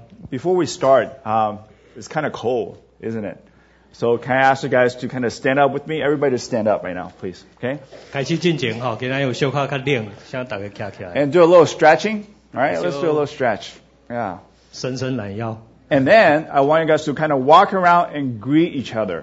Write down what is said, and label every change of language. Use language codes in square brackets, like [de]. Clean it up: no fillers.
[en] Before we start, it's kind of cold, isn't it? So can I ask you guys to kind of stand up with me? Everybody just stand up right now, please. Okay? [zh] 开始进行，今天有稍微较冷，请大家站起来。 [en] And do a little stretching, right? Let's do a little stretch. Yeah. [zh] 伸伸懒腰。 [en] And then, I want you guys to kind of walk around and greet each other.